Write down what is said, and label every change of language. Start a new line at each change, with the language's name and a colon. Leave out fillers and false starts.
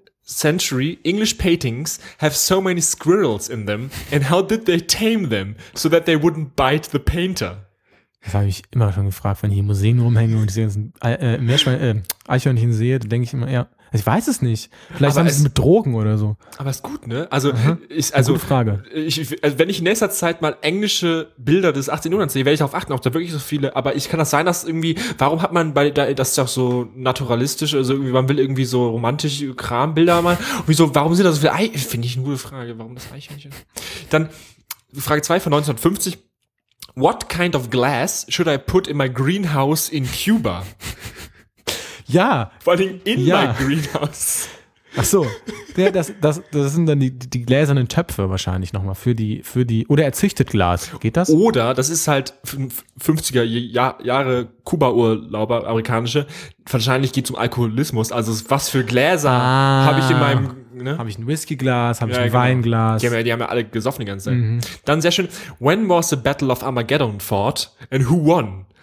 English: century English paintings have so many squirrels in them and how did they tame them so that they wouldn't bite the painter?
German: Das habe ich immer schon gefragt, wenn ich in Museen rumhänge und diese ganzen Eichhörnchen sehe, dann denke ich immer, ja, ich weiß es nicht. Vielleicht aber haben sie es mit Drogen oder so. Aber ist gut, ne? Also, gute Frage. Wenn ich in nächster Zeit mal englische Bilder des 18. Jahrhunderts sehe, werde ich darauf achten, ob da wirklich so viele. Aber ich kann das sein, dass irgendwie, warum hat man bei, da, das ist ja auch so naturalistisch, also irgendwie, man will irgendwie so romantische Krambilder mal. Wieso, warum sind da so viele Eichhörnchen? Finde ich eine gute Frage, warum das Eichhörnchen? Dann, Frage 2 von 1950.
English: What kind of glass should I put in my greenhouse in Cuba?
German: Ja. Vor allem
English: in my greenhouse.
German: Ach so. Ja, das sind dann die gläsernen Töpfe wahrscheinlich nochmal für die, oder er züchtet Glas. Geht das? Oder, das ist halt 50er Jahre Kuba-Urlauber, amerikanische. Wahrscheinlich geht es um Alkoholismus. Also was für Gläser habe ich in meinem, ne? Habe ich ein Whiskyglas, habe ich ein Weinglas? Die haben ja alle gesoffen die ganze Zeit. Mhm. Dann sehr schön.
English: When was the Battle of Armageddon fought and who won?